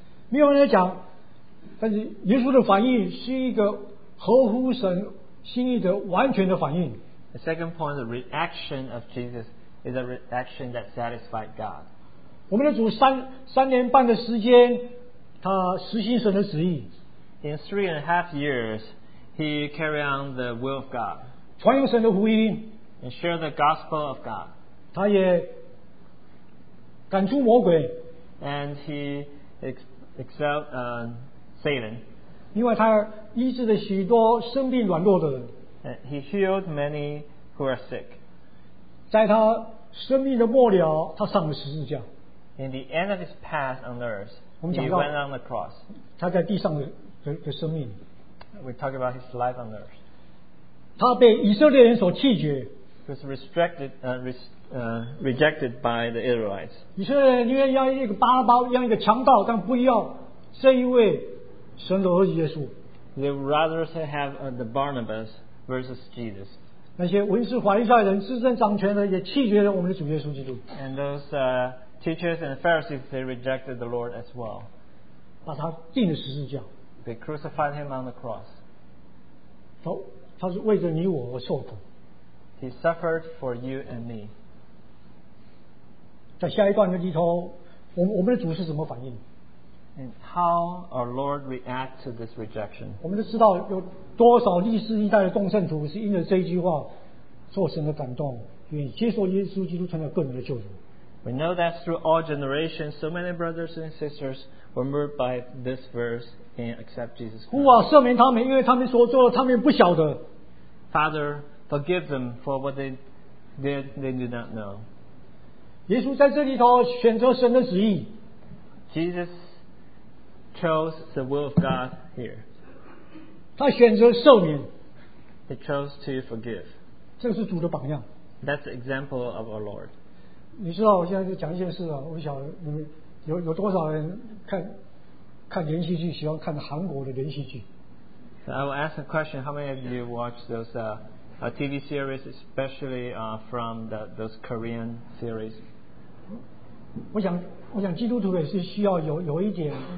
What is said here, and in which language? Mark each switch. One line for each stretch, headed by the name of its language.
Chinese: 没有人来讲, 但是耶稣的反应是一个合乎神心意的完全的反应。
English: The second point, the reaction of Jesus is a reaction that satisfied God.
Chinese: 我们的主三年半的时间, 他实行神的旨意。
English: In 3.5 years, he carried on the will of God.
Chinese: 传扬神的福音
English: and share the gospel of God.
Chinese: 他也赶出魔鬼
English: and he expelled Satan.
Chinese: 因为他医治了许多生病软弱的人
English: and he healed many who are sick.
Chinese: 在他生命的末了，他上了十字架。
English: In the end of his path on earth, he went on the cross.
Chinese: 他在地上 的生命。
English: We talk about his life on earth.
Chinese: 他被以色列人所弃绝。
English: He was rejected by the Israelites.
Chinese: 以色列人宁愿要一个巴拉巴，要一个强盗，但不要这一位神的儿子耶稣。
English: They would rather have the Barnabas versus Jesus.
Chinese: 那些文士、法利赛人、执政掌权的，也弃绝了我们的主耶稣基督。
English: And those teachers and Pharisees, they rejected the Lord as well.
Chinese: 把他钉了十字架。
English: They crucified him on the cross.
Chinese: 他是为着你我而受苦。
English: He suffered for you and me.
Chinese: 在下一段的里头，我们的主是怎么反应
English: ？And how our Lord reacted to this rejection?
Chinese: 我们都知道有。多少历世历代的众圣徒是因着这一句话受神的感动，愿意接受耶稣基督成为个人的救主。
English: We know that through all generations, so many brothers and sisters were moved by this verse and accept Jesus Christ.
Chinese: 父啊，赦免他们，因为他们所做的，他们不晓得。
English: Father, forgive them for what they did. They do not know.
Chinese: 耶稣在这里头选择神的旨意。
English: Jesus chose the will of God here.
Chinese: 他选择赦免。
English: He chose to forgive.
Chinese: 这是主的榜样。
English: That's the example of our Lord.
Chinese: 你知道我现在就讲一件事啊，我不晓得你们有多少人看连续剧，喜欢看韩国的连续剧。
English: So I will ask a question: How many of you watch those TV series, especially from those Korean series?
Chinese: 我想基督徒也是需要有一点。